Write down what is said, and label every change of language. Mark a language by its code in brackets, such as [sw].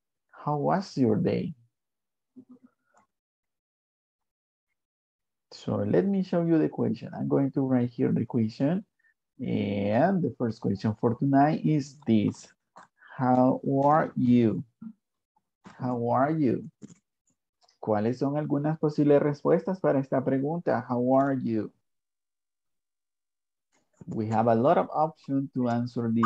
[en] How was your day? So let me show you the question. I'm going to write here the question. And the first question for tonight is this. How are you? How are you? [es] ¿Cuáles son algunas posibles respuestas para esta pregunta? [en] How are you? We have a lot of options to answer this.